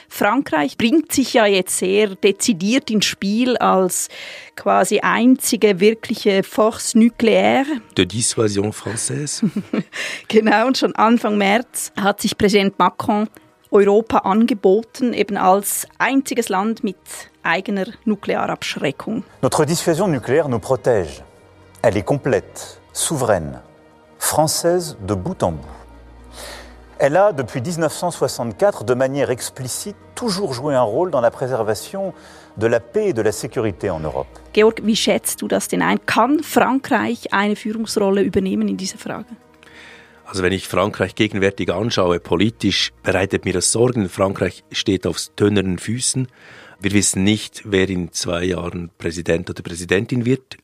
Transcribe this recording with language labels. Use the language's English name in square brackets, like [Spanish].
[German] Frankreich bringt sich ja jetzt sehr dezidiert ins Spiel als quasi einzige wirkliche Force nucléaire. [French] De dissuasion française. [German] Genau, und schon Anfang März hat sich Präsident Macron Europa angeboten, eben als einziges Land mit eigener Nuklearabschreckung. [French] Notre dissuasion nucléaire nous protège. Elle est complète, souveraine, française de bout en bout. Elle a, depuis 1964, de manière explicite, toujours joué un rôle dans la préservation de la paix et de la sécurité en Europe. [German] Georg, wie schätzt du das denn ein? Kann Frankreich eine Führungsrolle übernehmen in dieser Frage? Also wenn ich Frankreich gegenwärtig anschaue, politisch bereitet mir das Sorgen. Frankreich steht auf dünneren Füßen. Wir wissen nicht, wer in 2 Jahren Präsident oder Präsidentin wird.